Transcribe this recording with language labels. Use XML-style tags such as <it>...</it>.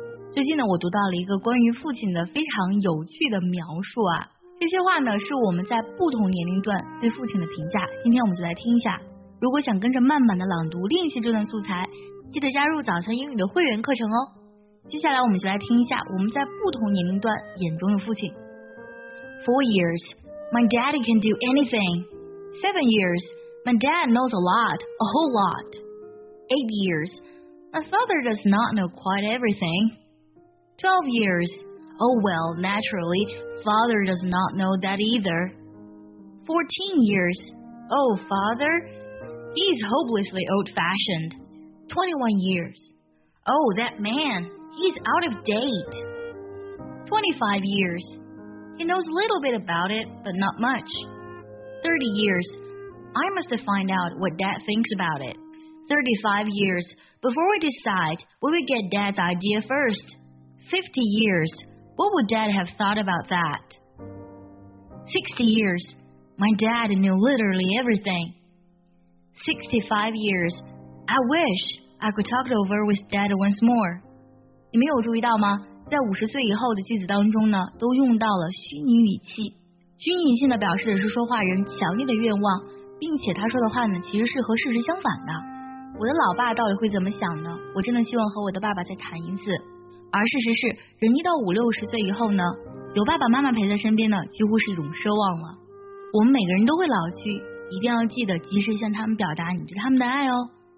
<zh>最近呢我读到了一个关于父亲的非常有趣的描述啊，这些话呢是我们在不同年龄段对父亲的评价，今天我们就来听一下。如果想跟着慢慢的朗读练习这段素材，记得加入早餐英语的会员课程哦。接下来我们就来听一下我们在不同年龄段眼中的父亲。</zh> <en>4 years, my daddy can do anything. 7 years, my dad knows a lot, a whole lot. 8 years, my father does not know quite everything. 12 years, oh well, naturally,Father does not know that either. 14 years. Oh, father? He's hopelessly old-fashioned. 21 years. Oh, that man. He's out of date. 25 years. He knows a little bit about it, but not much. 30 years. I must find out what dad thinks about it. 35 years. Before we decide, we will get dad's idea first. 50 years. What would dad have thought about that? 60 years. My dad knew literally everything. 65 years. I wish I could talk it over with dad once more.</en> <zh>你们有注意到吗？在50岁以后的句子当中呢，都用到了虚拟语气。虚拟语气呢，表示的是说话人强烈的愿望，并且他说的话呢，其实是和事实相反的。我的老爸到底会怎么想呢？我真的希望和我的爸爸再谈一次。而事实是，人一到50-60岁以后呢，有爸爸妈妈陪在身边呢，几乎是一种奢望了。我们每个人都会老去，一定要记得及时向他们表达你对他们的爱哦。</zh>